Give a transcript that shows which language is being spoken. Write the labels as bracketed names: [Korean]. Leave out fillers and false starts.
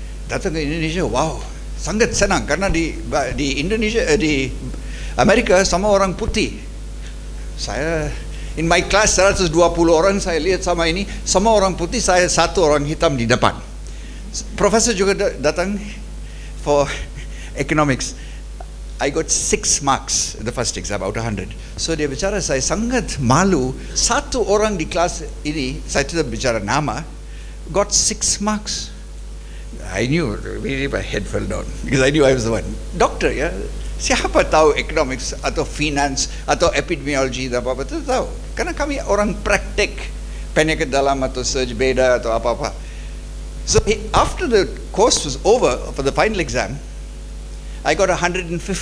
[Indonesian] Datang ke Indonesia, wow. Sangat senang, karena di Indonesia, di Amerika, semua orang putih. Saya [English] In my class [Indonesian] 120 orang, saya lihat sama ini, semua orang putih, saya satu orang hitam di depan. Profesor juga datang [English] for economics. I got 6 marks the first exam out of 100. [Indonesian] So dia bicara, saya sangat malu, satu orang di kelas ini, saya tidak bicara nama, [English] got 6 marks. I knew, really my head fell down, because I knew I was the one. [Indonesian] Doctor, ya, siapa tahu economics, atau finance, atau epidemiology, dan apa-apa, itu tahu. Karena kami orang praktik, penyakit dalam, atau surge beda, atau apa-apa. [English] So after the course was over, for the final exam, I got 150.